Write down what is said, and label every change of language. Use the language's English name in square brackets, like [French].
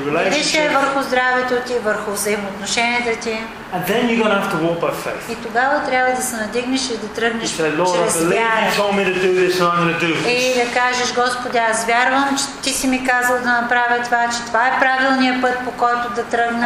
[Bulgarian] Дише е върху здравето ти, върху взаимоотношенията ти. [English] And then you're gonna have to walk by faith. [Bulgarian] И тогава трябва да се надигнеш и да тръгнеш чрез вяра. И да кажеш, Господи, аз вярвам, че ти си ми казал да направя това, че това е правилният път, по който да тръгна.